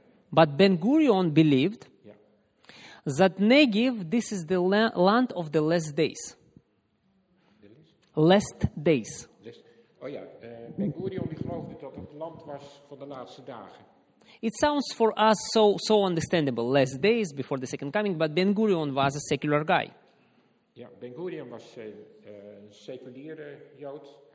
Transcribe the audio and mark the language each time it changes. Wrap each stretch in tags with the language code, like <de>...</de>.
<en>But Ben-Gurion believed that Negev, this is the land of the last days. Last days.</en> <nl>Oh ja, Ben-Gurion geloofde dat het land was van de laatste dagen.</nl> <en>It sounds for us so understandable, last days before the second coming, but Ben-Gurion was a secular guy.</en> <nl>Ja, Ben-Gurion was een seculiere Jood.</nl>